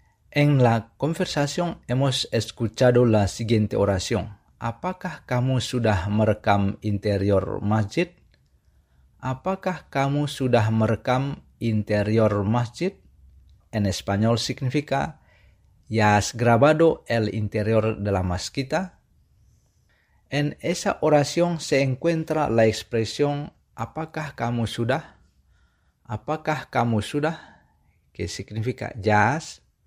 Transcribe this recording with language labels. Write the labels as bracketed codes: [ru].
[es] En la conversación hemos escuchado la siguiente oración. [id] ¿Apakah kamu sudah merekam interior masjid? ¿Apakah kamu sudah merekam interior masjid? [es] En español significa ¿ya has grabado el interior de la mezquita? En esa oración se encuentra la expresión [id] ¿apakah kamu sudah? ¿Apakah kamu sudah? [es] Que significa ¿ya has?